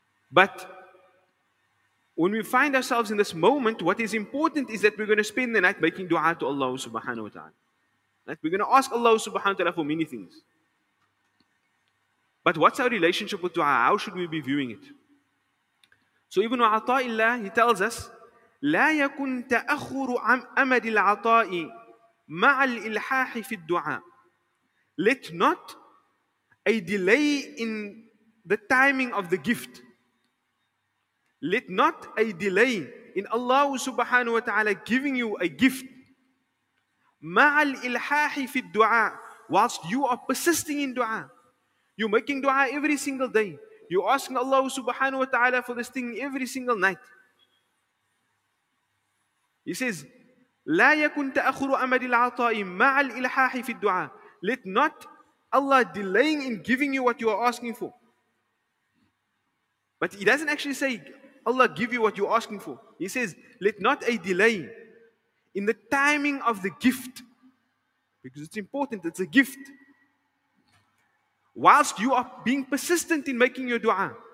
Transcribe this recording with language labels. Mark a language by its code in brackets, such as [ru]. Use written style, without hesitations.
[en] But when we find ourselves in this moment, what is important is that we're going to spend the night making dua to Allah subhanahu wa ta'ala. That we're going to ask Allah subhanahu wa ta'ala for many things. But what's our relationship with dua? How should we be viewing it? So Ibn Ata'illah, he tells us, [ar] لا يكن تأخر أمد العطاء مع الإلحاح في الدعاء. [en] Let not a delay in the timing of the gift. Let not a delay in Allah subhanahu wa ta'ala giving you a gift. [ar] مع الإلحاح في الدعاء. [en] Whilst you are persisting in dua. You're making dua every single day. You're asking Allah subhanahu wa ta'ala for this thing every single night. He says, [ar] لا يكن تأخر أمد العطاء مع الإلحاح في الدعاء. [en] Let not Allah delaying in giving you what you are asking for. But he doesn't actually say, Allah give you what you're asking for. He says, let not a delay in the timing of the gift. Because it's important, it's a gift. Whilst you are being persistent in making your dua.